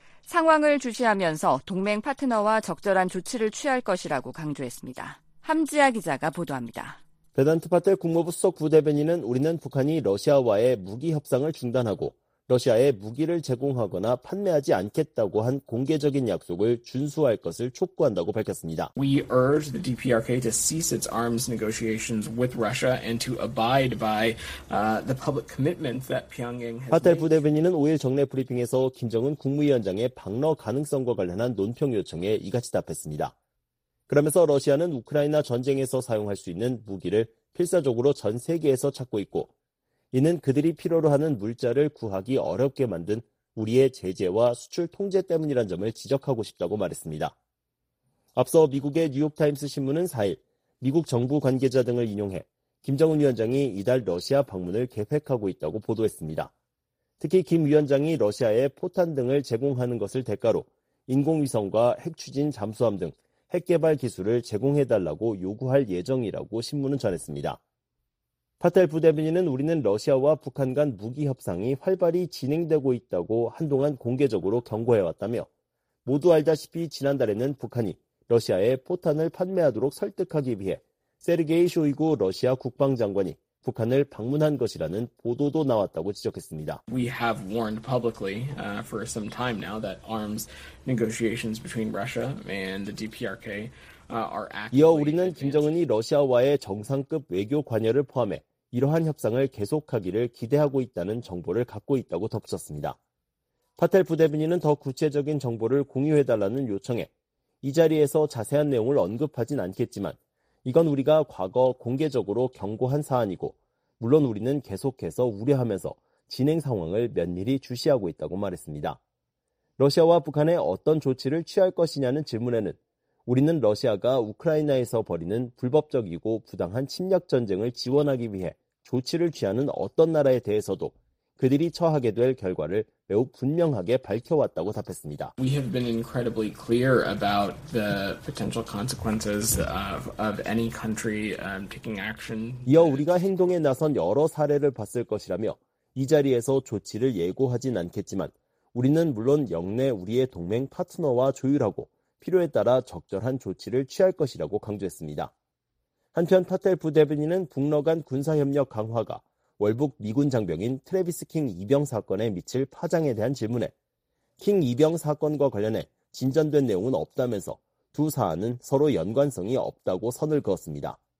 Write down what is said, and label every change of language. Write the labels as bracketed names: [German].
[Korean] 상황을 주시하면서 동맹 파트너와 적절한 조치를 취할 것이라고 강조했습니다. 함지아 기자가 보도합니다. 베단트 파텔 국무부 수석 부대변인은 우리는 북한이 러시아와의 무기 협상을 중단하고 러시아에 무기를 제공하거나 판매하지 않겠다고 한 공개적인 약속을 준수할 것을 촉구한다고 밝혔습니다. [English] We urge the DPRK to cease its arms negotiations with Russia and to abide by the public commitment that Pyongyang has. [Korean] 파텔 부대변인은 5일 정례 브리핑에서 김정은 국무위원장의 방러 가능성과 관련한 논평 요청에 이같이 답했습니다. 그러면서 러시아는 우크라이나 전쟁에서 사용할 수 있는 무기를 필사적으로 전 세계에서 찾고 있고 이는 그들이 필요로 하는 물자를 구하기 어렵게 만든 우리의 제재와 수출 통제 때문이란 점을 지적하고 싶다고 말했습니다. 앞서 미국의 뉴욕타임스 신문은 4일 미국 정부 관계자 등을 인용해 김정은 위원장이 이달 러시아 방문을 계획하고 있다고 보도했습니다. 특히 김 위원장이 러시아에 포탄 등을 제공하는 것을 대가로 인공위성과 핵추진 잠수함 등 핵개발 기술을 제공해달라고 요구할 예정이라고 신문은 전했습니다. 파텔 부대변인은 우리는 러시아와 북한 간 무기 협상이 활발히 진행되고 있다고 한동안 공개적으로 경고해왔다며 모두 알다시피 지난달에는 북한이 러시아에 포탄을 판매하도록 설득하기 위해 세르게이 쇼이구 러시아 국방장관이 북한을 방문한 것이라는 보도도 나왔다고 지적했습니다. [English] We have warned publicly for some time now that arms negotiations between Russia and the DPRK [Korean] 이어 우리는 김정은이 러시아와의 정상급 외교 관여를 포함해 이러한 협상을 계속하기를 기대하고 있다는 정보를 갖고 있다고 덧붙였습니다. 파텔 부대변인은 더 구체적인 정보를 공유해달라는 요청에 이 자리에서 자세한 내용을 언급하진 않겠지만 이건 우리가 과거 공개적으로 경고한 사안이고 물론 우리는 계속해서 우려하면서 진행 상황을 면밀히 주시하고 있다고 말했습니다. 러시아와 북한의 어떤 조치를 취할 것이냐는 질문에는 우리는 러시아가 우크라이나에서 벌이는 불법적이고 부당한 침략 전쟁을 지원하기 위해 조치를 취하는 어떤 나라에 대해서도 그들이 처하게 될 결과를 매우 분명하게 밝혀왔다고 답했습니다. [English] We have been incredibly clear about the potential consequences of any country taking action. [Korean] 이어 우리가 행동에 나선 여러 사례를 봤을 것이라며 이 자리에서 조치를 예고하진 않겠지만 우리는 물론 역내 우리의 동맹 파트너와 조율하고 필요에 따라 적절한 조치를 취할 것이라고 강조했습니다. 한편 파텔 부대변인은 북러 간 군사협력 강화가 월북 미군 장병인 트래비스 킹 이병 사건에 미칠 파장에 대한 질문에 킹 이병 사건과 관련해 진전된 내용은 없다면서 두 사안은 서로 연관성이 없다고 선을 그었습니다.